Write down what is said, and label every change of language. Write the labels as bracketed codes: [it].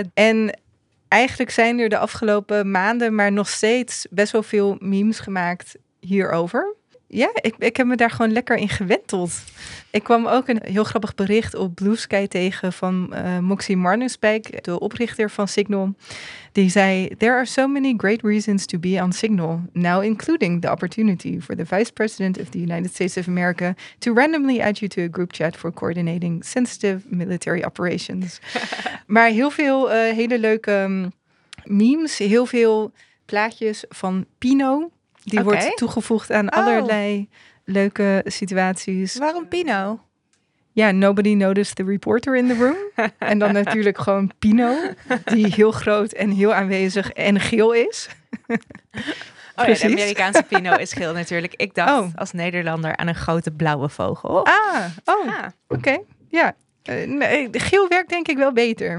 [nl] En eigenlijk zijn er de afgelopen maanden maar nog steeds best wel veel memes gemaakt hierover. Ja, ik heb me daar gewoon lekker in gewenteld. Ik kwam ook een heel grappig bericht op Blue Sky tegen van Moxie Marnenspijk, de oprichter van Signal. [en] Die zei, there are so many great reasons to be on Signal, now including the opportunity for the Vice President of the United States of America to randomly add you to a group chat for coordinating sensitive military operations. [nl] Maar heel veel hele leuke memes, heel veel plaatjes van Pino. Die okay. Wordt toegevoegd aan allerlei leuke situaties. Waarom Pino? [en] Ja, nobody noticed the reporter in the room. [nl] En dan natuurlijk gewoon Pino, die heel groot en heel aanwezig en geel is. Oh ja, de Amerikaanse Pino is geel natuurlijk. Ik dacht als Nederlander aan een grote blauwe vogel. Oké. Ja. Nee, geel werkt denk ik wel beter.